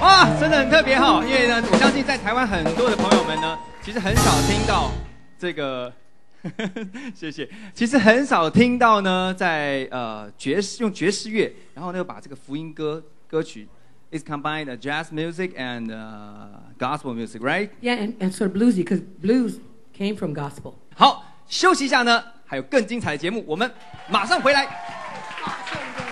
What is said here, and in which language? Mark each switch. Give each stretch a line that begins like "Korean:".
Chinese: 哇，真的很特别哈，因为呢，我相信在台湾很多的朋友们呢，其实很少听到这个。谢谢。其实很少听到呢，在爵士用爵士乐，然后呢又把这个福音歌曲。
English: It's combined jazz music and gospel music, right? Yeah, and sort of bluesy, because blues came from gospel.
Chinese: 好，休息一下呢，还有更精彩的节目，我们马上回来。